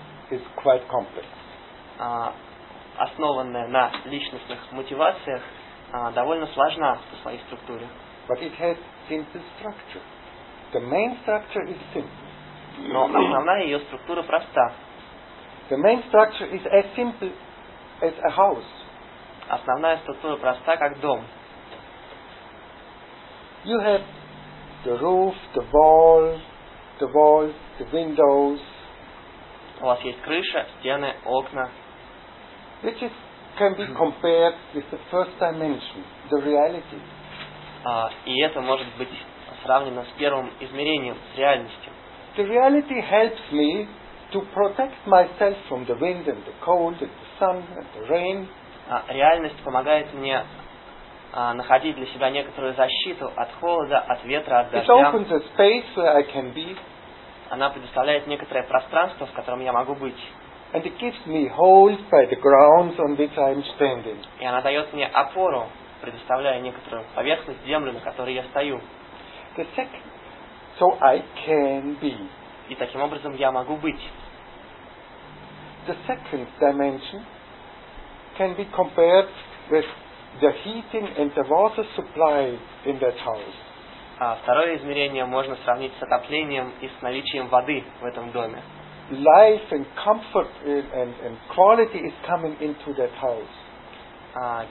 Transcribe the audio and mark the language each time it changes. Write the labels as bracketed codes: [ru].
[en] is quite complex. [ru] Основанная на личностных мотивациях, довольно сложна по своей структуре. [en] But it has simple structure. The main structure is simple. [ru] Но основная ее структура проста. [en] The main structure is as simple as a house. [ru] Основная структура проста, как дом. [en] You have the roof, the wall, the walls, the windows. [ru] У вас есть крыша, стены, окна. [en] Which is, can be compared with the first dimension, the reality. [ru] И это может быть сравнено с первым измерением, с реальностью. [en] The reality helps me to protect myself from the wind and the cold and the sun and the rain. [ru] Реальность помогает мне находить для себя некоторую защиту от холода, от ветра, от дождя. [en] It opens a space where I can be. [ru] Она предоставляет некоторое пространство, в котором я могу быть. [en] And it gives me hold by the grounds on which I'm standing. [ru] И она дает мне опору, предоставляя некоторую поверхность, землю, на которой я стою. [en] The second. So I can be. [ru] И таким образом я могу быть. [en] The second dimension can be compared with the heating and the water supply in that house. [ru] А второе измерение можно сравнить с отоплением и с наличием воды в этом доме. [en] Life and comfort and quality is coming into that house.